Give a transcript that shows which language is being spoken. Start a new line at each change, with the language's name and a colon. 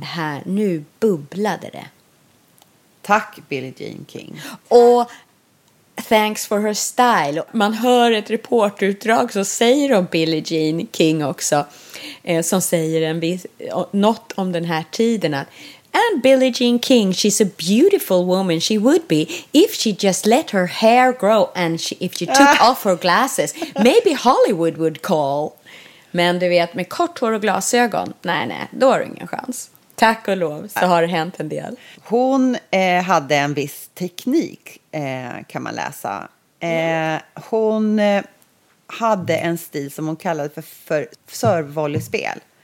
Swedish: Det här, nu bubblade det. Tack, Billie Jean King.
English: Och... thanks for her style.
Swedish: Man hör ett reportutdrag så säger de Billie Jean King också. Som säger något om den här tiden.
English: Att, and Billie Jean King, she's a beautiful woman. She would be if she just let her hair grow. And if she took off her glasses. Maybe Hollywood would call.
Swedish: Men du vet, med kort hår och glasögon. Nej, då har du ingen chans. Tack och lov så har det hänt en del. Hon hade en viss teknik, kan man läsa. Hon hade en stil som hon kallade för servevolleyspel.